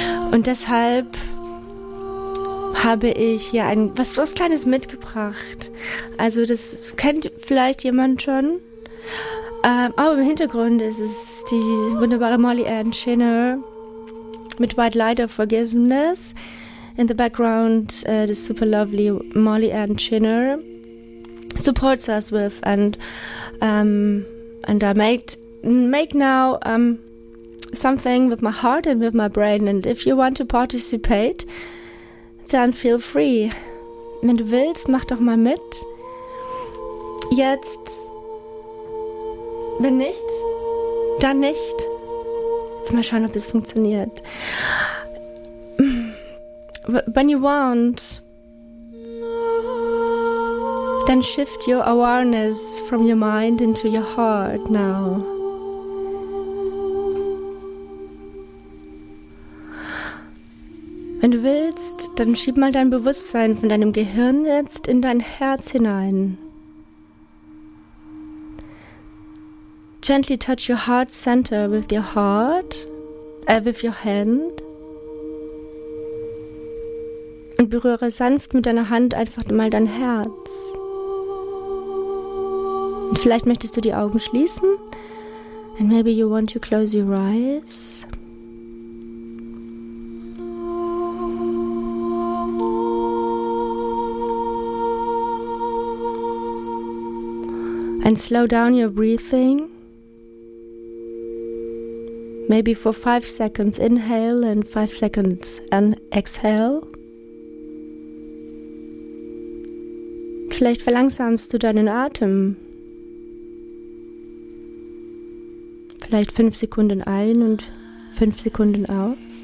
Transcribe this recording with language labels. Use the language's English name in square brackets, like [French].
[German] Und deshalb habe ich hier was Kleines mitgebracht. Also das kennt vielleicht jemand schon. Im Hintergrund ist es die wunderbare Molly Ann Chinner mit White Light of Forgiveness. [English] In the background, the super lovely Molly Ann Chinner supports us with and I make now something with my heart and with my brain. And if you want to participate, then feel free. [German] Wenn du willst, mach doch mal mit. Jetzt. Wenn nicht, dann nicht. Jetzt mal schauen, ob es funktioniert. [English] When you want, then shift your awareness from your mind into your heart now. [German] Wenn du willst, dann schieb mal dein Bewusstsein von deinem Gehirn jetzt in dein Herz hinein. [English] Gently touch your heart center with your heart, with your hand. [German] Und berühre sanft mit deiner Hand einfach mal dein Herz. Vielleicht möchtest du die Augen schließen. [English] And maybe you want to close your eyes. And slow down your breathing. Maybe for 5 seconds inhale and 5 seconds and exhale. [German] Vielleicht verlangsamst du deinen Atem. Vielleicht 5 Sekunden ein und 5 Sekunden aus.